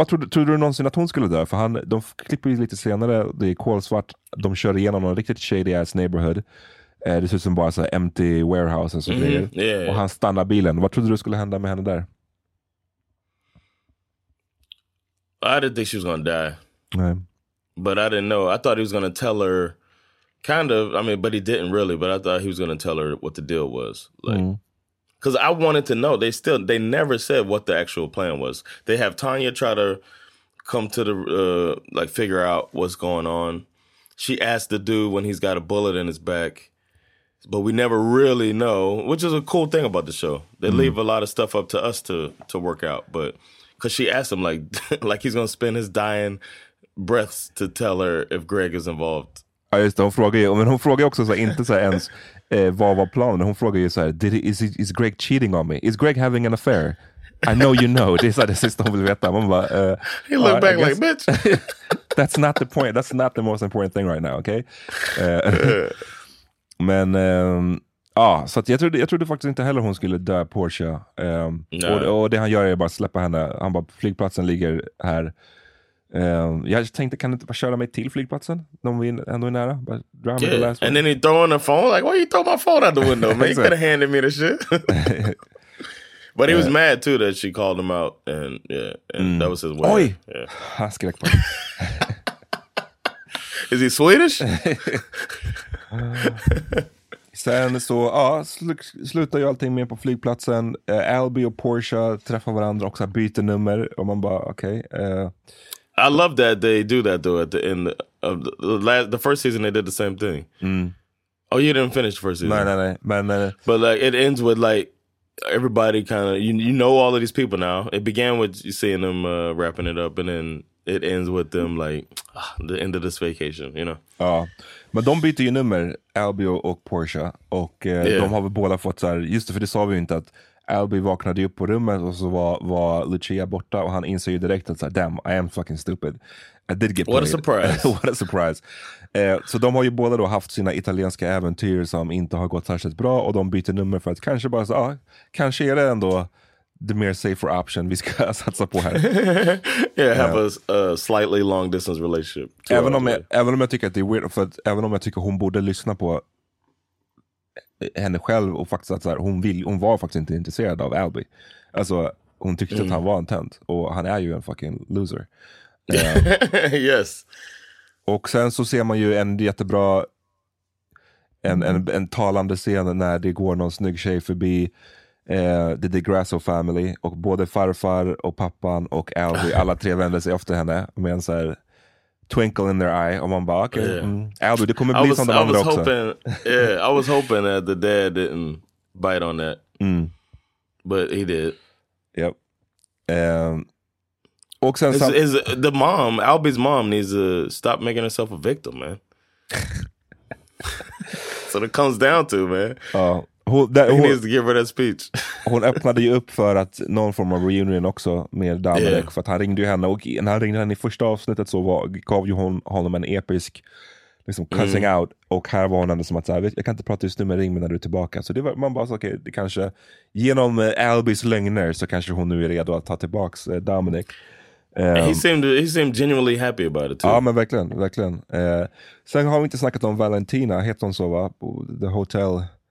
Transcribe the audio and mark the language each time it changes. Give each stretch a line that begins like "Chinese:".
Swedish: Tror du någonsin att hon skulle dö? För han, de klipper ju lite senare. Det är kolsvart. De kör igenom någon riktigt
English: shady ass neighborhood.
Swedish: Det ser ut som bara så
English: empty warehouse
Swedish: och så vidare. Och han stannar bilen. Vad trodde du skulle hända med henne där?
English: I didn't think she was gonna die, right. But I didn't know. I thought he was gonna tell her, kind of. I mean, but he didn't really. But I thought he was gonna tell her what the deal was, like, because I wanted to know. They never said what the actual plan was. They have Tanya try to come to the like figure out what's going on. She asked the dude when he's got a bullet in his back, but we never really know. Which is a cool thing about the show. They leave a lot of stuff up to us to work out, but. Cause she asked him like he's gonna spend his dying breaths to tell her if Greg is involved.
Swedish: Ja, just det, hon frågade ju, men hon frågade också så inte så ens vad var planen. Hon frågade ju så här,
English: is Greg cheating on me? Is Greg having an affair? I know you know.
Swedish: Det är så det sista hon vill veta. Man bara,
English: he looked back like bitch. That's not the point. That's not the most important thing right now. Okay.
Swedish: men. Så att jag trodde faktiskt inte heller hon skulle dö Portia. Och det han gör är bara släppa henne. Han bara, flygplatsen ligger här. Jag tänkte, kan du inte bara köra mig till flygplatsen? Om vi ändå är nära.
English: And then he throw on the phone. Like, why you throw my phone out the window, man? You could have handed me the shit. But he was mad too that she called him out. And that was his way. Oj! Yeah.
Swedish: Han skrek på.
English: Is he Swedish?
Swedish: Sen så, slutar ju allting med på flygplatsen. Albie och Portia träffar varandra också, byter nummer. Och man bara, okej.
English: I love that they do that though. At the end of the first season they did the same thing. Mm. Oh, you didn't finish the first season.
Swedish: Nej.
English: But like, it ends with like, everybody kind of, you know all of these people now. It began with you seeing them wrapping it up. And then it ends with them like, the end of this vacation, you know.
Swedish: Ja. Men de byter ju nummer, Albie och Portia. Och de har väl båda fått så här, just det, för det sa vi ju inte, att Albie vaknade upp på rummet och så var Lucia borta. Och han inser ju direkt att så här,
English: damn, I am fucking stupid. I did get played. What a surprise. What a surprise.
Swedish: Så de har ju båda då haft sina italienska äventyr som inte har gått särskilt bra. Och de byter nummer för att kanske bara så, kanske är det ändå
English: the mere safer option
Swedish: vi ska satsa på här.
English: Yeah, have a slightly long distance relationship.
Swedish: Även om jag tycker att det är weird, för att även om jag tycker hon borde lyssna på henne själv och faktiskt att så här, hon var faktiskt inte intresserad av Albie. Alltså, hon tyckte att han var en tönt och han är ju en
English: fucking loser. yes.
Swedish: Och sen så ser man ju en jättebra en talande scen när det går någon snygg tjej förbi.
English: The DeGrasso family.
Swedish: Och både farfar och pappan och Albie, alla tre vänder sig ofta henne med en såhär
English: twinkle in their eye.
Swedish: Och man bara, okay, Albie, det kommer bli som de andra också.
English: I was hoping that the dad didn't bite on that. But he did. Yep.
Swedish: Och sen
English: the mom, Albie's mom needs to stop making herself a victim, man. That's what it comes down to, man. He needs to give her that speech.
Swedish: Hon öppnade ju upp för att någon form av reunion också med Dalek.
English: Yeah.
Swedish: För att han ringde ju henne. Och när han ringde henne i första avsnittet så gav ju hon honom en episk liksom cussing out. Och här var hon ändå som att så här, jag kan inte prata just nu med ring när du är tillbaka. Så det var, man bara sa, okej, det kanske genom Albies lögner så kanske hon nu är redo att ta tillbaks Dalek.
English: He seemed genuinely happy about it too.
Swedish: Ja, men verkligen. Sen har vi inte snackat om Valentina. Heter hon så, va? The Hotel...